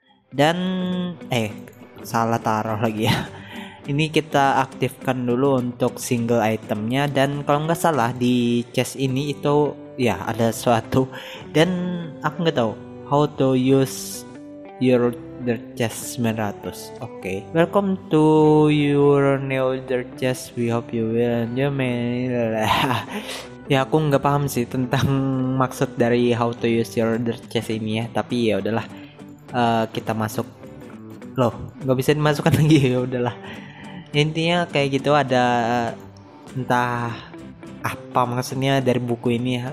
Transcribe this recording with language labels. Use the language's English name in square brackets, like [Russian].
[Indonesian] Dan salah taruh lagi ya. Ini kita aktifkan dulu untuk single itemnya, dan kalau nggak salah di chest ini itu ya ada suatu, dan aku nggak tahu [English] how to use your dirt chest 900. Oke, okay. Welcome to your new dirt chest. We hope you will enjoy many. [Indonesian] Ya aku nggak paham sih tentang maksud dari [English] how to use your dirt chest [Indonesian] ini ya, tapi ya udahlah, kita masuk. Loh, nggak bisa dimasukkan lagi, ya udahlah. Intinya kayak gitu, ada entah apa maksudnya dari buku ini ya.